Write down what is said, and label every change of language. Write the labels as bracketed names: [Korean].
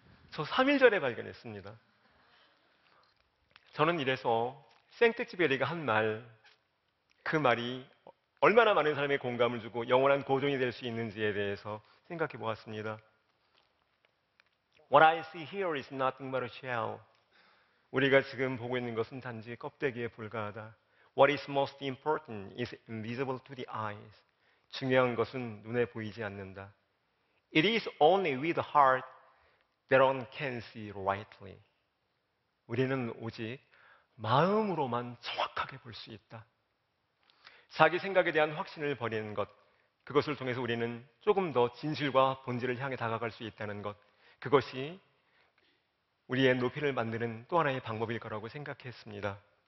[Korean] 저 3일 전에 발견했습니다. 저는 이래서 생텍쥐페리가 한 말, 그 말이 얼마나 많은 사람의 공감을 주고 영원한 고전이 될 수 있는지에 대해서 생각해 보았습니다. [English] What I see here is nothing but a shell. [Korean] 우리가 지금 보고 있는 것은 단지 껍데기에 불과하다. [English] What is most important is invisible to the eyes. [Korean] 중요한 것은 눈에 보이지 않는다. [English] It is only with the heart that one can see rightly. [Korean] 우리는 오직 마음으로만 정확하게 볼 수 있다. 자기 생각에 대한 확신을 버리는 것, 그것을 통해서 우리는 조금 더 진실과 본질을 향해 다가갈 수 있다는 것, 그것이 우리의 높이를 만드는 또 하나의 방법일 거라고 생각했습니다.